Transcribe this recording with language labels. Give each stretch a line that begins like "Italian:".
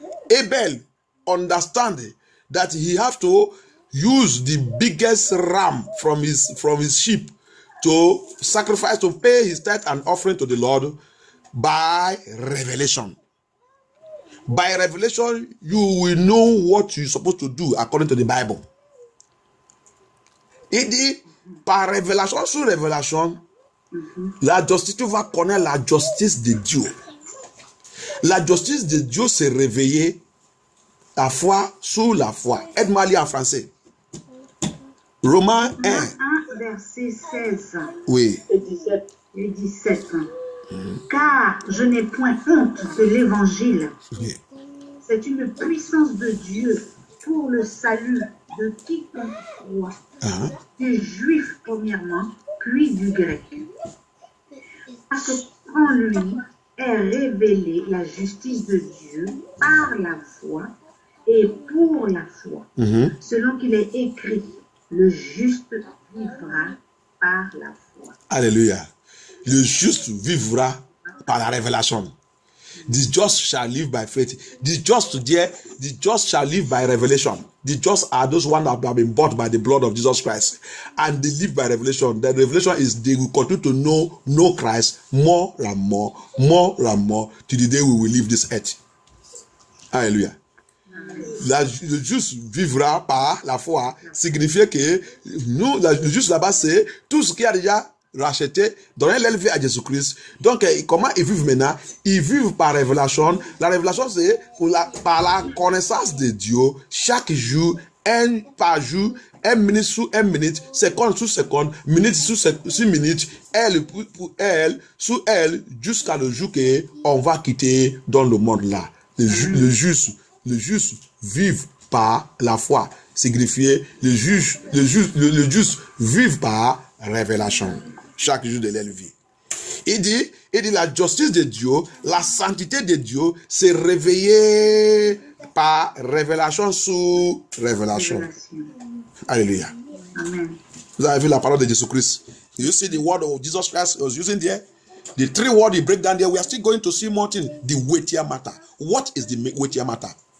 English: Abel understand that he have to use the biggest ram from his sheep to sacrifice, to pay his tithe and offering to the Lord by revelation. By revelation, you will know what you're supposed to do according to the Bible.
French: Il dit, par révélation sur révélation, la justice, tu vas connaître la justice de Dieu. La justice de Dieu s'est réveillée, la foi sous la foi. Aide-moi à lire en français. Romains 1, verset 16. Oui. Le 17. Mmh. Car je n'ai point honte de l'évangile. Oui. C'est une puissance de Dieu pour le salut de quiconque croit. Ah. Des juifs premièrement, puis du grec. Parce qu'en lui est révélée la justice de Dieu par la foi et pour la foi. Mmh. Selon qu'il est écrit, le juste vivra par la foi. Alléluia. Le juste vivra par la révélation.
English: The just shall live by faith. The just shall live by revelation. The just are those ones that have been bought by the blood of Jesus Christ. And they live by revelation. The revelation is they will continue to know Christ more and more, to the day we will leave this earth. Hallelujah.
French: Le juste vivra par la foi signifie que nous, le juste là-bas, c'est tout ce qui a déjà racheté, donner l'élevé à Jésus-Christ. Donc, comment ils vivent maintenant? Ils vivent par révélation. La révélation, c'est par la connaissance de Dieu, chaque jour, un par jour, une minute sous une minute, seconde sous seconde, minute sous six minutes, elle pour elle, sous elle, jusqu'à le jour qu'on va quitter dans le monde là. Le juste vive par la foi. Signifié, le juste vive par révélation, chaque jour de leur vie. Il dit la justice de Dieu, la sainteté de Dieu s'est réveillée par révélation sous révélation. Alléluia. Amen. Vous avez vu la parole de Jésus-Christ.
English: You see the word of Jesus Christ was using there? The three words he break down there, we are still going to see more things. The weightier matter. What is the weightier matter?